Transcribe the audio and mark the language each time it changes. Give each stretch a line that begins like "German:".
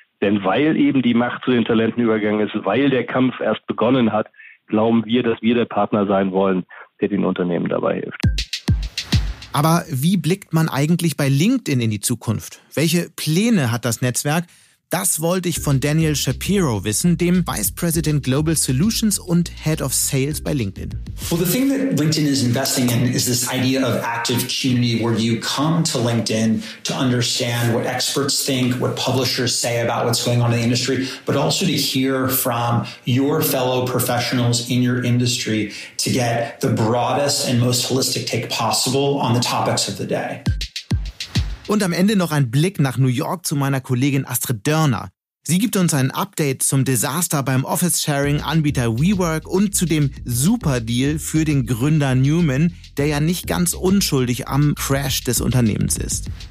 German: Denn weil eben die Macht zu den Talenten übergegangen ist, weil der Kampf erst begonnen hat, glauben wir, dass wir der Partner sein wollen, der den Unternehmen dabei hilft. Aber wie blickt man eigentlich bei LinkedIn in die Zukunft? Welche Pläne hat das Netzwerk? Das wollte ich von Daniel Shapiro wissen, dem Vice President Global Solutions und Head of Sales bei LinkedIn.
English: Well, the thing that LinkedIn is investing in is this idea of active community, where you come to LinkedIn to understand what experts think, what publishers say about what's going on in the industry, but also to hear from your fellow professionals in your industry to get the broadest and most holistic take possible on the topics of the day.
German: Und am Ende noch ein Blick nach New York zu meiner Kollegin Astrid Dörner. Sie gibt uns ein Update zum Desaster beim Office-Sharing-Anbieter WeWork und zu dem Super-Deal für den Gründer Newman, der ja nicht ganz unschuldig am Crash des Unternehmens ist.